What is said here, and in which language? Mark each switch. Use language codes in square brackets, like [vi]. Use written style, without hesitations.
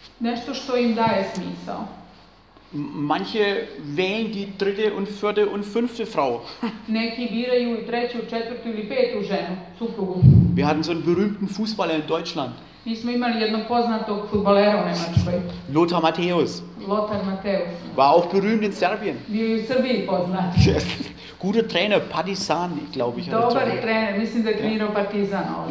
[sr] Nešto što im daje smisao. [de] Manche wählen die dritte und vierte und fünfte Frau. [sr] Neki biraju treću, četvrtu ili petu ženu, suprugu. [de] Wir hatten so einen berühmten Fußballer in Deutschland. [sr] Mi smo imali jednog poznatog fudbalera u Nemačkoj. [de] Lothar Matthäus. [sr] Lothar Matthäus. [de] War auch berühmt in Serbien. [sr] Bio je u Srbiji poznat. [de] Yes. Guter Trainer, Partizan, glaube ich. [sr] Dobar trener, mislim da je trenirao Partizan ovdje.